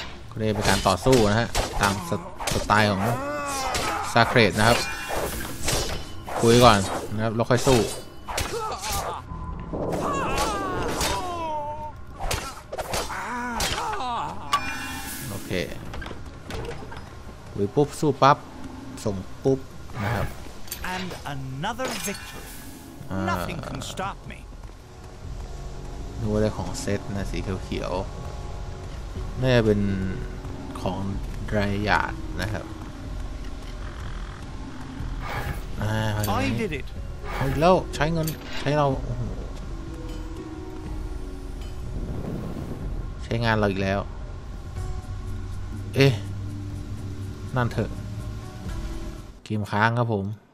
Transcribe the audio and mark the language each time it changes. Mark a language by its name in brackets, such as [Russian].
[Thai] ก็เลยเป็นการต่อสู้นะฮะตามสไตล์ของซาเครตนะครับคุยก่อนนะครับแล้วค่อยสู้วิปุ๊บสู้ปั๊บส่งปุ๊บนะครับ [English] and another victory nothing can stop me [Thai] นี่ว่าได้ของเซตนะสีเขียวน่าจะเป็นของไรยาดนะครับ [English] I did it [Thai] เอาอีกแล้วใช้เงินใช้เราใช้งานเราอีกแล้วเอ๊ะนั่นเถอะกีมค้างครับผม